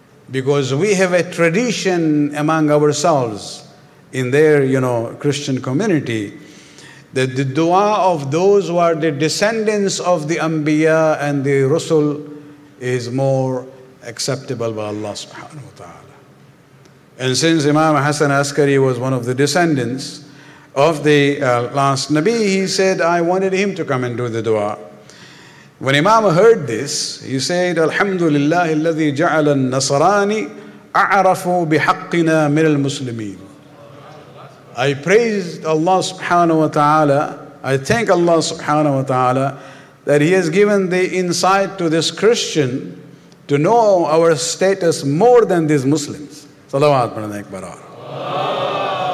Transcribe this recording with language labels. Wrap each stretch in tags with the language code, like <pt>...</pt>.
<en>Because we have a tradition among ourselves in their, you know, Christian community, that the dua of those who are the descendants of the Anbiya and the Rusul is more acceptable by Allah subhanahu wa ta'ala. And since Imam Hassan Askari was one of the descendants of the last Nabi, he said, I wanted him to come and do the dua. When Imam heard this, he said, Alhamdulillah,</en> <ar>الذي جعل النصران أعرف بحقنا من المسلمين.</ar> <en>I praised Allah subhanahu wa ta'ala. I thank Allah subhanahu wa ta'ala that He has given the insight to this Christian to know our status more than these Muslims. Salawat Pranay Akbarar.</en>